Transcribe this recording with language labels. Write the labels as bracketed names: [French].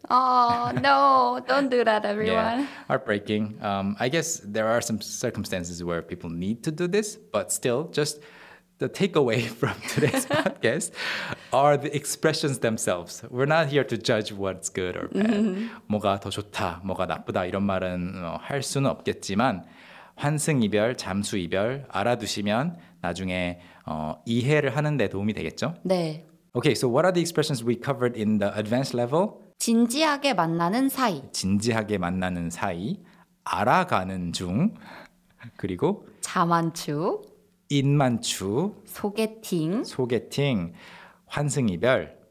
[English] Oh, no, don't do that, everyone. Yeah, heartbreaking. I guess there are some circumstances where people need to do this, but still, just the takeaway from today's podcast are the expressions themselves. We're not here to judge what's good or bad. Mm-hmm. [Korean] 뭐가 더 좋다, 뭐가 나쁘다 이런 말은 할 수는 없겠지만 환승 이별, 잠수 이별 알아두시면 나중에 이해를 하는 데 도움이 되겠죠? 네. [English] Okay, so what are the expressions we covered in the advanced level? [Korean] 진지하게 만나는 사이. 진지하게 만나는 사이. 알아가는 중. 그리고 자만추. 인만추. 소개팅. 소개팅. 환승 이별.